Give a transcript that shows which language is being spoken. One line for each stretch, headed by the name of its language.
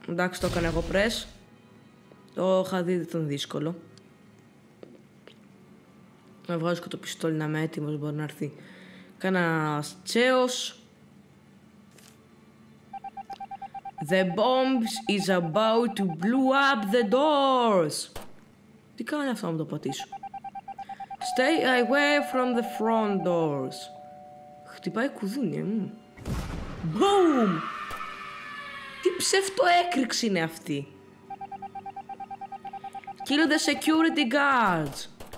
Greek: Εντάξει, το έκανα εγώ press. Το είχα δει τον δύσκολο. Να βγάζω και το πιστόλι να είμαι έτοιμος, μπορεί να έρθει κανένας τσέος.
English: The bomb is about to blow up the doors.
Greek: Τι κάνει αυτό να το πατήσω?
English: Stay away from the front doors.
Greek: Χτυπάει κουδούνι. Boom! Τι ψευτοέκρηξη είναι αυτή?
English: Kill the security guards.